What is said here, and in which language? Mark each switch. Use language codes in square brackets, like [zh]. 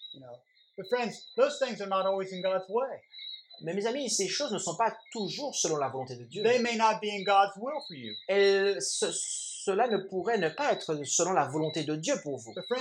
[en] You know, but friends, those things are not always in God's way. [fr] Mais mes amis, ces choses ne sont pas toujours selon la volonté de Dieu. [en] They may not be in God's will for you. [fr] Cela ne pourrait ne pas être selon la volonté de Dieu pour vous.